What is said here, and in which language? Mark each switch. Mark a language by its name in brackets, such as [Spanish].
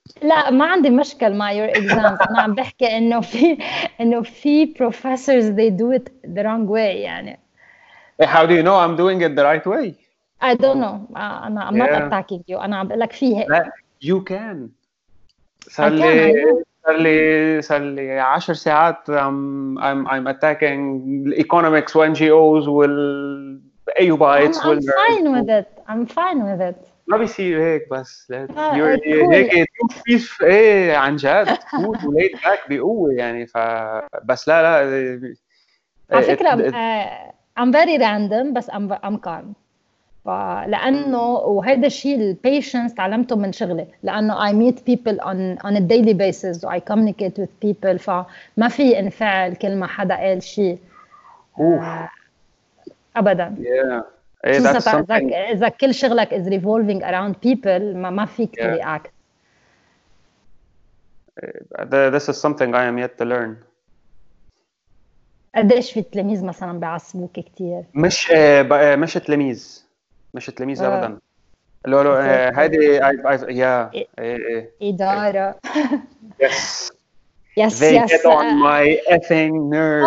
[Arabic] لا ما عندي مشكل مع [English] your exams. [Arabic] أنا عم بحكي إنه في professors [English] they do it the wrong way [Arabic] يعني. [English] How do you know I'm doing it the right way? I don't know. أنا I'm not attacking you. [Arabic] أنا عم بقولك في هيك. [English] You can. [Arabic] صلي. صار لي 10 ساعات [English] I'm attacking economics [Arabic] و NGOs وال AUBITES [English] وال I'm fine with it. [Arabic] ما بيصير هيك بس [English] you're cool. [Arabic] عن جد cool و laid back بقوة يعني. بس لا على فكرة [English] I'm very random بس I'm calm. [Arabic] لأنه وهذا الشيء patience تعلمته من شغلي، لأنه [English] I meet people on a daily basis I communicate with people، [Arabic] فما في انفعل كل ما حدا قال شيء أبدا. [English] yeah. hey, [Arabic] إذا كل شغلك [English] is revolving around people [Arabic] ما فيك [English] react. This is something I am yet to learn. [Arabic] قديش في التلاميذ مثلا بيعصبوك كتير؟ مش تلاميذ، مش تلاميذ ابدا. لو لو هذه يا إدارة. [English] Yes yes they yes get on my effing nerves.